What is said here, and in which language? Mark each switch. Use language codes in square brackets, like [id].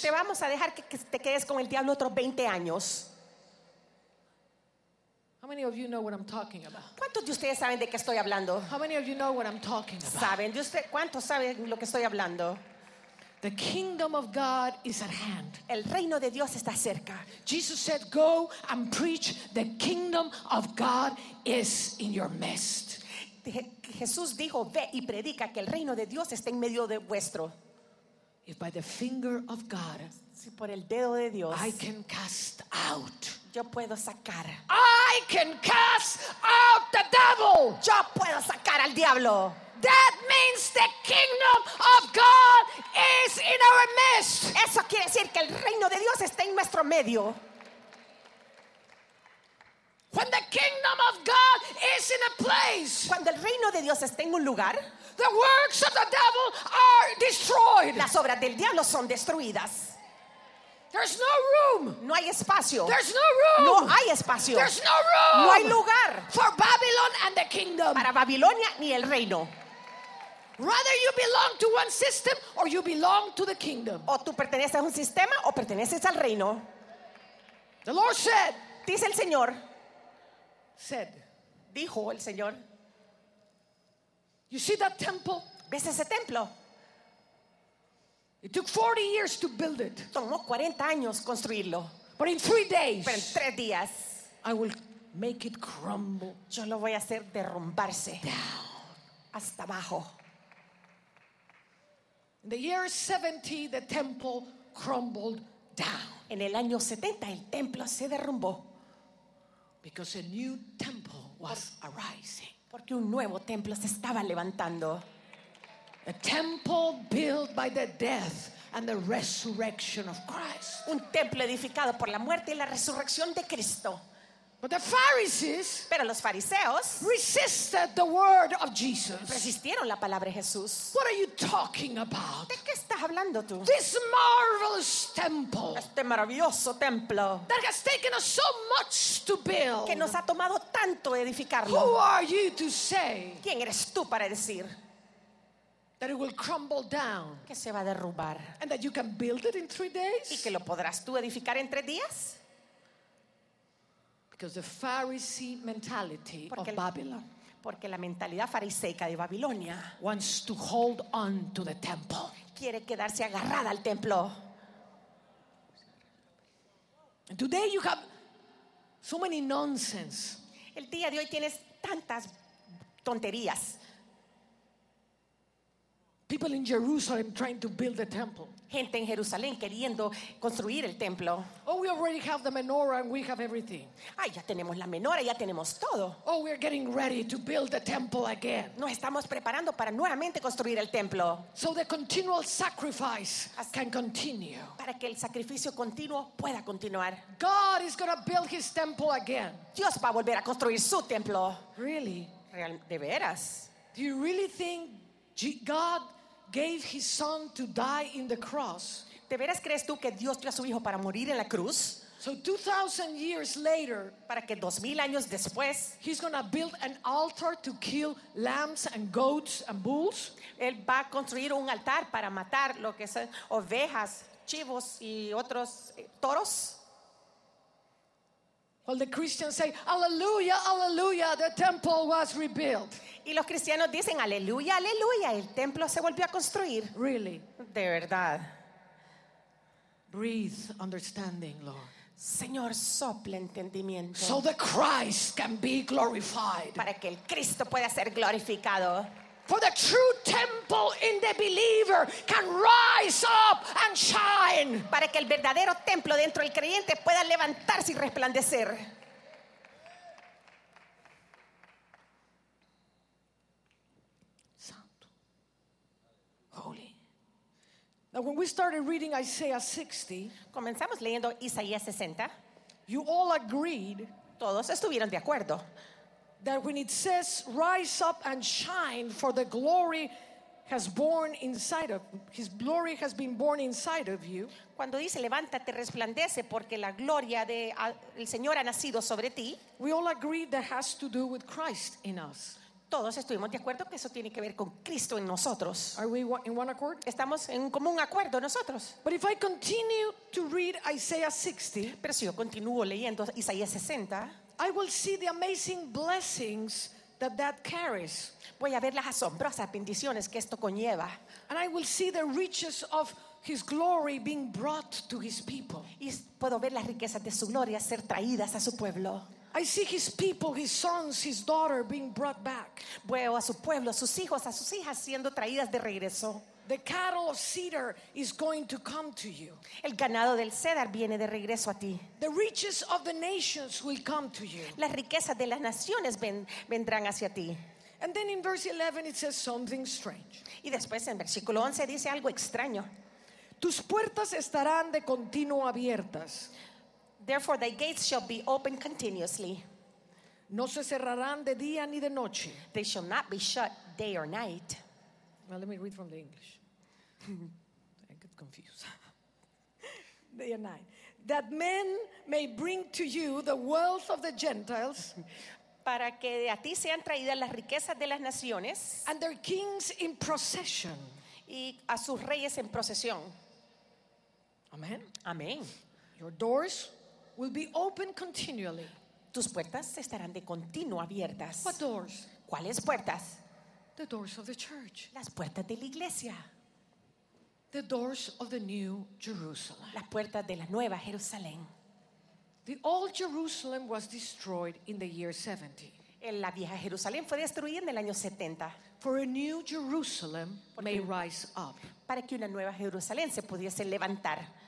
[es] Te vamos a dejar que te quedes con el diablo otros 20 años. [en] How many of you know what I'm talking about? [es] ¿Cuántos de ustedes saben de qué estoy hablando? [en] How many of you know what I'm talking about? [es] ¿Saben de usted cuántos saben lo que estoy hablando? [en] The kingdom of God is at hand. [es] El reino de Dios está cerca. [en] Jesus said, "Go and preach the kingdom of God is in your midst." [es] Jesús dijo, "Ve y predica que el reino de Dios está en medio de vuestro." [en] If by the finger of God, [es] si por el dedo de Dios, [en] I can cast out. [es] Yo puedo sacar. [en] I can cast out the devil. [es] Yo puedo sacar al diablo. [en] That means the kingdom of God is in our midst. [es] Eso quiere decir que el reino de Dios está en nuestro medio. [en] When the kingdom of God is in a place, [es] cuando el reino de Dios está en un lugar, [en] the works of the devil are destroyed. [es] Las obras del diablo son destruidas. [en] There's no room. [es] No hay espacio. [en] There's no room. [es] No hay espacio. [en] There's no room. [es] No hay lugar. [en] For Babylon and the kingdom. [es] Para Babilonia ni el reino. [en] Rather you belong to one system or you belong to the kingdom. [es] O tú perteneces a un sistema o perteneces al reino. [en] The Lord said. [es] Dice el Señor. [en] Said. [es] Dijo el Señor. [en] You see that temple? [es] ¿Ves ese templo? [en] It took 40 years to build it. [es] Tomó 40 años construirlo. [en] But in 3 days, [es] pero en 3 días, [en] I will make it crumble. [es] Yo lo voy a hacer derrumbarse. [en] Down. [es] Hasta abajo. [en] In the year 70, the temple crumbled down. [es] En el año 70, el templo se derrumbó. [en] Because a new temple was arising. [es] Porque un nuevo templo se estaba levantando. [en] A temple built by the death and the resurrection of Christ. [es] Un templo edificado por la muerte y la resurrección de Cristo. [en] But the Pharisees, [es] pero los fariseos, [en] resisted the word of Jesus. [es] Resistieron la palabra de Jesús. [en] What are you talking about? [es] ¿De qué estás hablando tú? [en] This marvelous temple, [es] este maravilloso templo, [en] that has taken us so much to build, [es] que nos ha tomado tanto edificarlo. [en] Who are you to say? [es] ¿Quién eres tú para decir? [en] That it will crumble down. [es] Que se va a derrumbar. [en] And that you can build it in 3 days. [es] Y que lo podrás tú edificar en 3 días. [en] Because the Pharisee mentality of Babylon. [es] Porque la mentalidad fariseica de Babilonia [en] wants to hold on to the temple. [es] Quiere quedarse agarrada al templo. [en] And today you have so many nonsense. [es] El día de hoy tienes tantas tonterías. [en] People in Jerusalem trying to build the temple. [es] Gente en Jerusalén queriendo construir el templo. [en] Oh, we already have the menorah and we have everything. [es] Ay, ya tenemos la menorah, ya tenemos todo. [en] Oh, we're getting ready to build the temple again. [es] Nos estamos preparando para nuevamente construir el templo. [en] So the continual sacrifice can continue. [es] Para que el sacrificio continuo pueda continuar. [en] God is going to build his temple again. [es] Dios va a volver a construir su templo. [en] Really? [es] ¿De veras? [en] Do you really think God gave his son to die in the cross? [es] ¿De veras crees tú que Dios dio a su hijo para morir en la cruz? [en] So 2000 years later, [es] para que 2000 años después, [en] he's going to build an altar to kill lambs and goats and bulls? [es] Él va a construir un altar para matar lo que son ovejas, chivos y otros toros. [en] Well, the Christians say, "Hallelujah, hallelujah, the temple was rebuilt." [es] Y los cristianos dicen, "Aleluya, aleluya, el templo se volvió a construir." [en] Really? [es] De verdad. [en] Breathe understanding, Lord. [es] Señor, sople entendimiento. [en] So the Christ can be glorified. [es] Para que el Cristo pueda ser glorificado. [en] For the true temple in the believer can rise up and shine. [es] Para que el verdadero templo dentro del creyente pueda levantarse y resplandecer. [en] Santo. Holy. Now when we started reading Isaiah 60, [es] comenzamos leyendo Isaías 60, [en] you all agreed, [es] todos estuvieron de acuerdo, [en] that when it says rise up and shine, for the glory has born inside of his glory has been born inside of you, [es] cuando dice levántate, resplandece, porque la gloria de el Señor ha nacido sobre ti, [en] we all agree that has to do with Christ in us. [es] Todos estuvimos de acuerdo que eso tiene que ver con Cristo en nosotros. [en] Are we in one accord? [es] Estamos en un común acuerdo nosotros. [en] But if I continue to read Isaiah 60, [es] pero si yo continúo leyendo Isaías 60, [en] I will see the amazing blessings that carries. [es] Voy a ver las asombrosas bendiciones que esto conlleva. [en] And I will see the riches of His glory being brought to his people. [es] Y puedo ver las riquezas de su gloria ser traídas a su pueblo. [en] I see his people, his sons, his daughter being brought back. [es] Veo a su pueblo, a sus hijos, a sus hijas siendo traídas de regreso. [en] The cattle of cedar is going to come to you. [es] El ganado del cedar viene de regreso a ti. [en] The riches of the nations will come to you. [es] Las riquezas de las naciones vendrán hacia ti. [en] And then in verse 11 it says something strange. [es] Y después en versículo 11 dice algo extraño. Tus puertas estarán de continuo abiertas. [en] Therefore thy gates shall be open continuously. [es] No se cerrarán de día ni de noche. [en] They shall not be shut day or night. Now let me read from the English. I get confused. Day and night. That men may bring to you the wealth of the Gentiles. [es] Para que de a ti sean traídas las riquezas de las naciones. [en] And their kings in procession. [es] Y a sus reyes en procesión. [en] Amen. [es] Amen. [en] Your doors will be open continually. [es] Tus puertas estarán de continuo abiertas. [en] What doors? [es] ¿Cuáles puertas? [en] The doors of the church. [es] Las puertas de la iglesia. [en] The doors of the new Jerusalem. [es] Las puertas de la nueva Jerusalén. [en] The old Jerusalem was destroyed in the year 70. [es] En la vieja Jerusalén fue destruida en el año 70. [en] For a new Jerusalem may rise up. [es] Para que una nueva Jerusalén se pudiese levantar.